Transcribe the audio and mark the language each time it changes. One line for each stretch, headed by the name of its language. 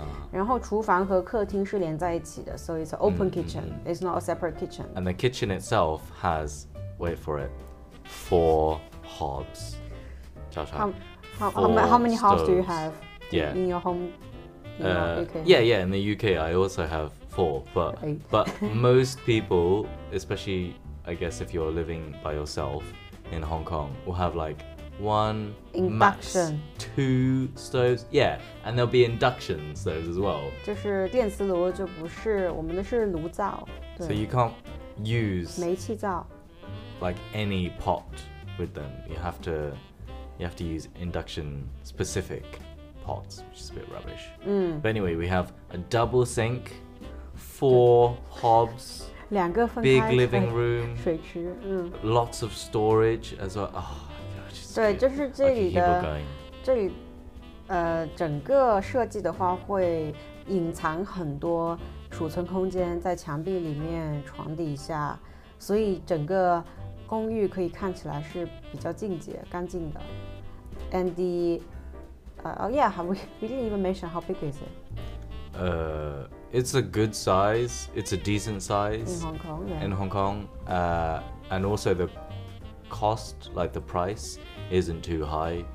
Chinese: 然后厨房和客厅是连在一起的。
English: So it's an open kitchen. It's not a separate kitchen. And the kitchen itself has, wait for it, four hobs. How many hobs do you have in your home? In the UK I also have four, but most people, especially I guess if you're living by yourself in Hong Kong, will have like one induction. Max two stoves. Yeah, and there'll be induction stoves as well.
Chinese: 就是电磁炉就不是，我们的是炉灶。
English: So you can't use
Chinese: 煤气灶
English: like any pot with them. You have to use induction specific pots, which is a bit rubbish. But anyway, we have a double sink, four hobs, big living room,
Chinese: 水池,
English: lots of storage as well. Oh, just
Chinese: 对，就是这里的这里，整个设计的话会隐藏很多储存空间在墙壁里面、床底下，所以整个公寓可以看起来是比较净洁、干净的。
English: And the we didn't even mention how big is it. It's a good size. It's a decent size. In Hong Kong, yeah. In Hong Kong. And also the cost, like the price, isn't too high.